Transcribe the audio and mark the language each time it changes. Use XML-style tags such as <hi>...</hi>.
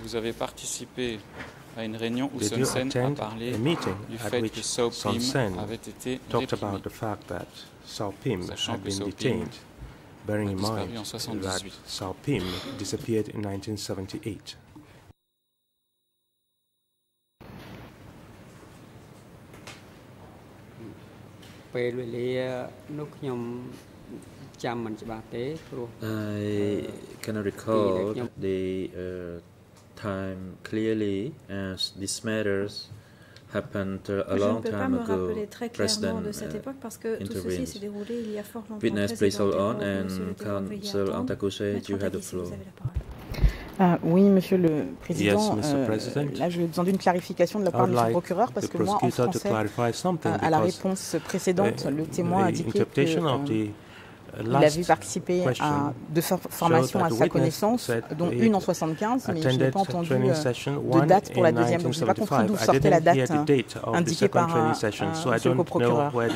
<fr>Vous avez participé à une réunion où Sun Sen a parlé du fait que Sao Pim avait été réprimé.</fr> <en>Talked about the fact that Sao Pim had been detained, bearing in mind that Sao Pim disappeared in 1978. I cannot recall the time clearly as these matters happened a long time ago. President intervened. Witness, please hold on, and Counsel Antakouche, you have the floor.</en> <fr>Oui, Monsieur le Président, là j'ai besoin d'une clarification de la part de</fr> <en>like</en> <fr>M. Procureur parce que moi, en français, à la réponse précédente, le témoin a indiqué qu'il avait participé à deux formations à sa connaissance, dont une en 75, mais je n'ai pas entendu de date pour la deuxième, donc je n'ai pas compris d'où sortait la date indiquée par M. Procureur.</fr>